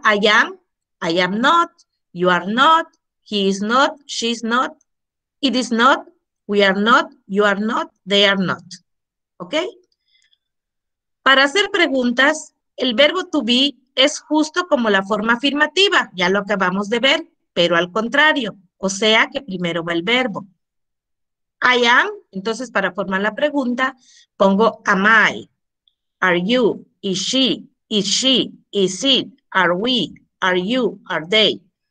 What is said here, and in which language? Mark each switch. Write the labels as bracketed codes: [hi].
[en] I am not, you are not, he is not, she is not, it is not, we are not, you are not, they are not. ¿Ok? [es] Para hacer preguntas, el verbo to be es justo como la forma afirmativa, ya lo acabamos de ver, pero al contrario, o sea que primero va el verbo. [en] I am, [es] entonces para formar la pregunta, pongo [en] am I, are you, is she, is it, are we, are you, are they.